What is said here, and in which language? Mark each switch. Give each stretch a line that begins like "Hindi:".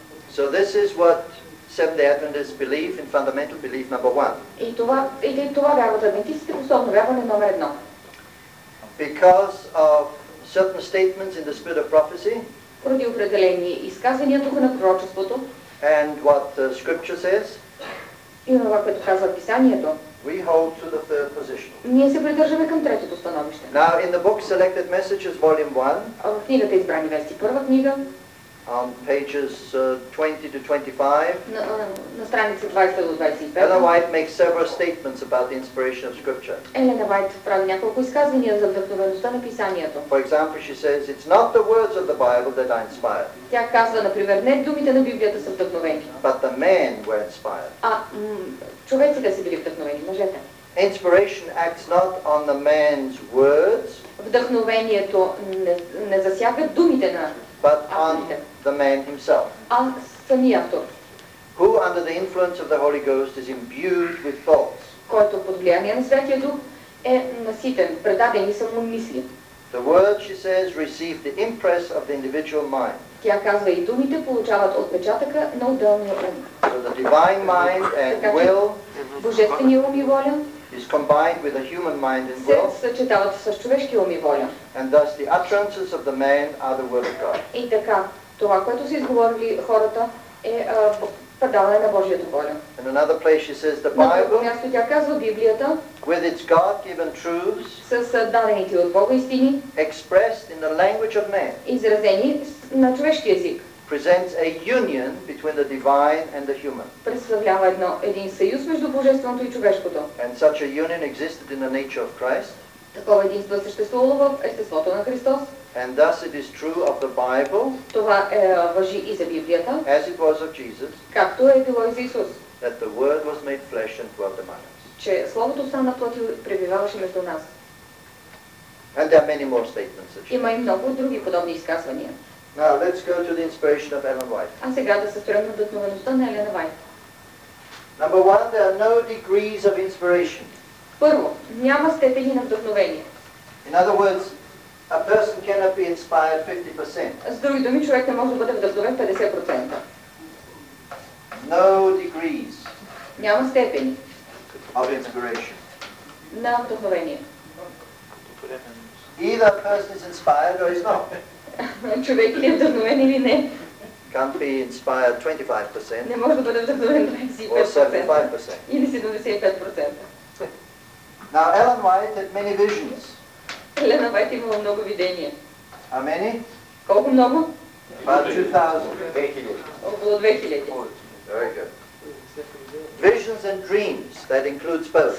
English: So this is what Seventh-day Adventists believe in fundamental belief number one.
Bulgarian: И това вярват адвентистите, основно вярване номер едно.
English: Because of certain statements in the spirit of prophecy,
Bulgarian: поради определени изказания духа на пророчеството,
English: and what the scripture says,
Bulgarian: и това, което казва писанието,
English: we hold to the third position.
Bulgarian: Ние се придържаме към третото становище.
English: Now in the book Selected Messages, Volume 1,
Bulgarian: в книгата Избрани вести, първа книга,
English: on pages 20-25,
Bulgarian: на страница 20-25,
English: Ellen White makes several statements about the inspiration of Scripture.
Bulgarian: Елена Уайт прави няколко изказвания за вдъхновеността на писанието.
English: For example, she says, it's not the words of the Bible that are inspired.
Bulgarian: Тя казва, например, не думите на Библията са вдъхновени.
English: But the men were inspired.
Bulgarian: Човеците са били вдъхновени, мъжете.
English: Inspiration acts not on the man's words.
Bulgarian: Вдъхновението не засяга думите на
English: but on the man himself.
Bulgarian: А самия автор.
English: Who under the influence of the Holy Ghost is imbued with thoughts.
Bulgarian: Който под влияние на Святия Дух е наситен, предадени са му мисли.
English: The word, she says, receive the impress of the individual mind.
Bulgarian: Тя казва, и думите получават отпечатъка на отделния ум.
English: So the divine mind and will,
Bulgarian: божествения ум и воля,
English: is combined with a human mind and will.
Bulgarian: Се съчетават с човешкия ум и воля.
English: And thus the utterances of the man are the word of God.
Bulgarian: И така, това, което са изговорили хората, е предаване на Божията воля.
English: In another place she says the Bible,
Bulgarian: на друго място тя казва Библията,
English: with its God-given truths,
Bulgarian: с дадените от Бога истини,
English: expressed in the language of man,
Bulgarian: изразени на човешки език,
English: presents a union between the divine and the human.
Bulgarian: Представлява един съюз между Божественото и човешкото.
English: And such a union existed in the nature of Christ.
Bulgarian: Такова единство съществувало в естеството на Христос.
English: And thus it is true of the Bible.
Bulgarian: Това важи и за Библията.
English: As it was of Jesus.
Bulgarian: Както е било и за Исус.
English: That the Word was made flesh and dwelt among us.
Bulgarian: Че Словото стана плът и пребиваваше между нас.
English: And there are many more statements.
Bulgarian: Има и много други подобни изказвания.
English: Now let's go to the inspiration of Ellen White.
Bulgarian: А сега да се спрем на вдъхновеността на Елена Уайт.
English: Number one, there are no degrees of inspiration.
Bulgarian: Първо, няма степени на вдъхновение.
English: In other words, a person cannot be inspired 50%.
Bulgarian: С други думи, човек не може да бъде вдъхновен 50%.
English: No degrees.
Bulgarian: Няма степени.
English: Of inspiration.
Bulgarian: на вдохновение.
English: Either person is inspired or he's not.
Bulgarian: Човек или е вдъхновен или не.
English: Can't be inspired 25%.
Bulgarian: Не може да бъде вдъхновен 25%. Или 75%.
English: Now Ellen White had many visions.
Bulgarian: Елена Вайт имала много видения.
English: How many?
Bulgarian: Колко много?
English: About 2000.
Bulgarian: 2000. Около 2000.
English: Very good. Visions and dreams, that includes both.